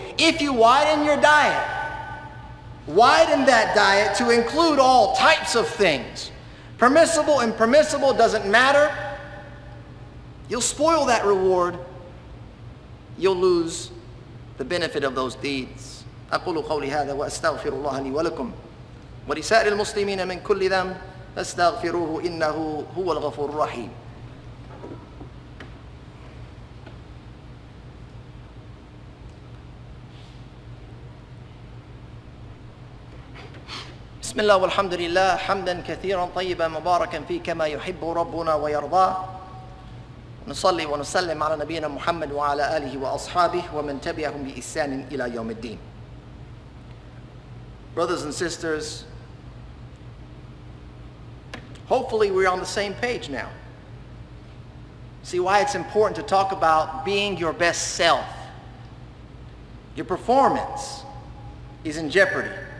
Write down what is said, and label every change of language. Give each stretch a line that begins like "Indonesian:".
English: If you widen your diet, widen that diet to include all types of things, permissible, impermissible, doesn't matter, you'll spoil that reward. You'll lose the benefit of those deeds.
Arabic: أقول قولي هذا وأستغفر الله لي ولكم ولسائر المسلمين من كل ذنب فاستغفروه إنه هو الغفور الرحيم. بسم الله والحمد لله حمدا كثيرا طيبا مباركا فيه كما يحب ربنا ويرضاه. نصلي ونسلم على نبينا محمد وعلى آله وأصحابه ومن تبعهم بإحسان إلى يوم الدين.
English: Brothers and sisters, hopefully we're on the same page now. See why it's important to talk about being your best self. Your performance is in jeopardy.